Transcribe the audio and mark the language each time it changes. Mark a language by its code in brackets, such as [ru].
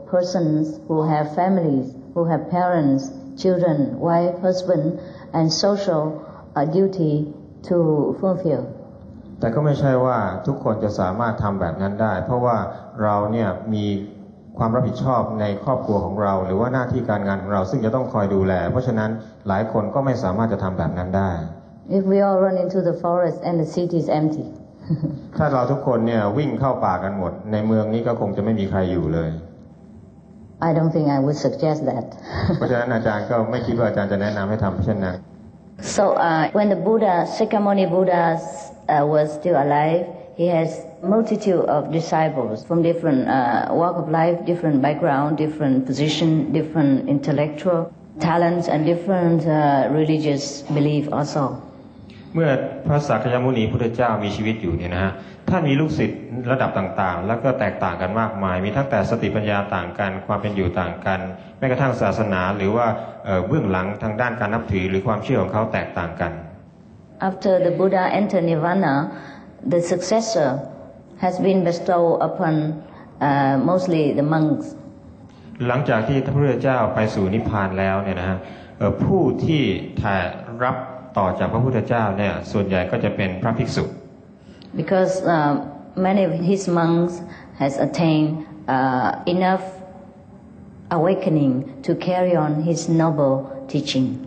[en] Persons who have families, who have parents, children, wife, husband, and social duty to fulfill. [th] แต่ก็ไม่ใช่ว่าทุกคนจะสามารถทำแบบนั้นได้เพราะว่าเราเนี่ยมีความรับผิดชอบในครอบครัวของเราหรือว่าหน้าที่การงานของเราซึ่งจะต้องคอยดูแลเพราะฉะนั้นหลายคนก็ไม่สามารถจะทำแบบนั้นได้ [en] If we all run into the forest and the city is empty. [th] ถ้าเราทุกคนเนี่ยวิ่งเข้าป่ากันหมดในเมืองนี้ก็คงจะไม่มีใครอยู่เลย [en] I don't think I would suggest that. So when the Buddha, Shakyamuni Buddha, was still alive, he has multitude of disciples from different walk of life, different background, different position, different intellectual talents, and different religious belief also. [th] เมื่อพระสักยมุนีพุทธเจ้ามีชีวิตอยู่เนี่ยนะฮะท่านมีลูกศิษย์ระดับต่างๆแล้วก็แตกต่างกันมากมายมีทั้งแต่สติปัญญาต่างกันความเป็นอยู่ต่างกันแม้กระทั่งศาสนาหรือว่าเบื้องหลังทางด้านการนับถือหรือความเชื่อของเขาแตกต่างกัน [en] After the Buddha entered Nirvana the successor has been bestowed upon mostly the monks [th] หลังจากที่พระพุทธเจ้าไปสู่นิพพานแล้วเนี่ยนะฮะผู้ที่ถ่ายรับต่อจากพระพุทธเจ้าเนี่ยส่วนใหญ่ก็จะเป็นพระภิกษุ [en] because many of his monks has attained enough awakening to carry on his noble teaching